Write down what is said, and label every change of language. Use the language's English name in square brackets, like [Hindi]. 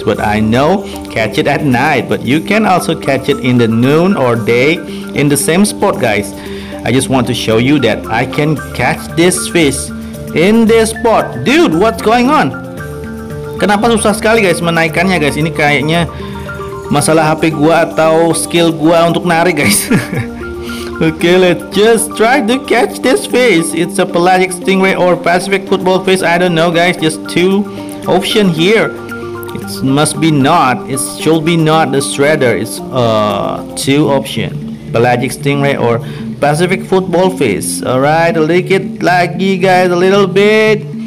[English] But I know catch it at night, but you can also catch it in the noon or day in the same spot, guys. I just want to show you that I can catch this fish in this spot, dude. What's going on? [Indonesian] Kenapa susah sekali, guys, menaikannya, guys? Ini kayaknya masalah HP gua atau skill gua untuk narik, guys. [English] Oke, okay, let's just try to catch this fish. It's a pelagic stingray or Pacific football fish. I don't know, guys. Just two option here. It must be not. It should be not the shredder. It's two option. Pelagic stingray or Pacific football fish. Alright, lick it lagi, guys, a little bit.